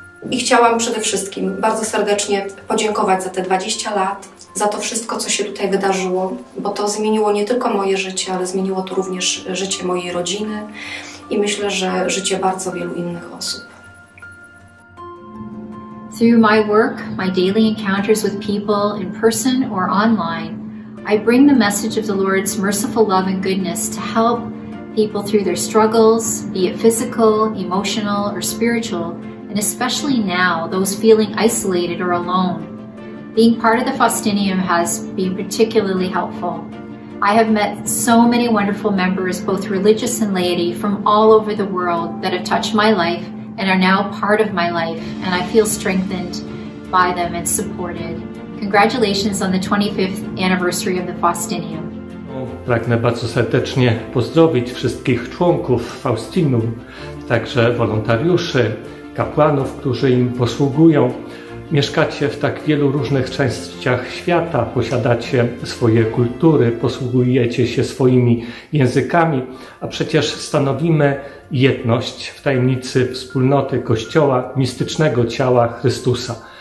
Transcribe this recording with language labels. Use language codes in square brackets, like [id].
[pl] I chciałam przede wszystkim bardzo serdecznie podziękować za te 20 lat, za to wszystko, co się tutaj wydarzyło, bo to zmieniło nie tylko moje życie, ale zmieniło to również życie mojej rodziny i myślę, że życie bardzo wielu innych osób. [en] Through my work, my daily encounters with people in person or online, I bring the message of the Lord's merciful love and goodness to help people through their struggles, be it physical, emotional, or spiritual, and especially now, those feeling isolated or alone. Being part of the Faustinium has been particularly helpful. I have met so many wonderful members, both religious and laity, from all over the world that have touched my life and are now part of my life, and I feel strengthened by them and supported. Congratulations on the 25th anniversary of the Faustinum. [pl] Pragnę bardzo serdecznie pozdrowić wszystkich członków Faustinum, także wolontariuszy, kapłanów, którzy im posługują. Mieszkacie w tak wielu różnych częściach świata, posiadacie swoje kultury, posługujecie się swoimi językami, a przecież stanowimy jedność w tajemnicy wspólnoty Kościoła, mistycznego ciała Chrystusa.